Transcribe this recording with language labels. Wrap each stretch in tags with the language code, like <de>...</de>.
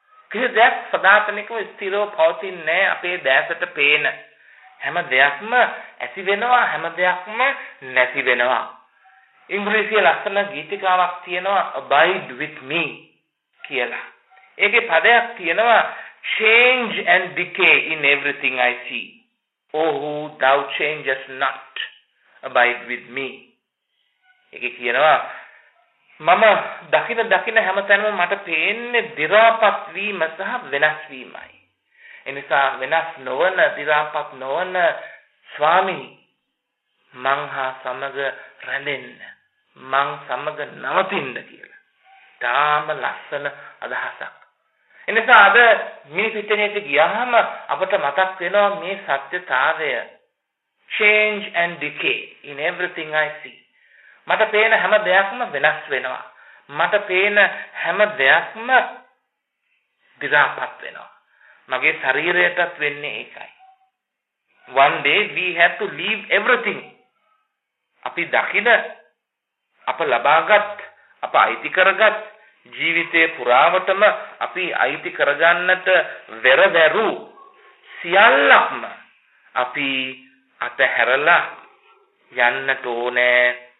<si>කිසි දෙයක් සදාතනිකව ස්ථිරව පවතින්නේ නැහැ අපේ දැසට පේන. හැම දෙයක්ම ඇති වෙනවා, හැම දෙයක්ම නැති වෙනවා. ඉංග්‍රීසිය ලස්සන ගීතිකාවක් තියෙනවා</si> <en>abide with me</en> <si>කියලා. ඒකේ පදයක් තියෙනවා</si> <en>change and decay in everything I see. Oh who thou changest not abide with me.</en> <si>එක කියනවා මම දකින දකින හැමතැනම මට පේන්නේ දිරාපත් වීම සහ වෙනස් වීමයි. එනිසා වෙනස් නොවන, දිරාපත් නොවන ස්වාමී මං හා සමග රැඳෙන්න, මං සමග නවතින්න කියලා. තාම ලස්සන අදහසක්. එනිසා අද මිනිස් ඉතනෙට ගියාම අපට මතක් වෙනවා මේ සත්‍යතාවය.</si> <en>Change and decay in everything I see.</en> <si>මට පේන හැම දෙයක්ම වෙනස් වෙනවා. මට පේන හැම දෙයක්ම දිරාපත් වෙනවා. මගේ ශරීරයටත් වෙන්නේ ඒකයි.</si> <en>One day we have to leave everything.</en> <si>අපි දකින, අප ලබාගත්, අප අයිති කරගත් ජීවිතයේ පුරාවටම අපි අයිති කරගන්නට වෙරදරු සියල්ලක්ම අපි අතහැරලා යන්නට ඕනේ.</si>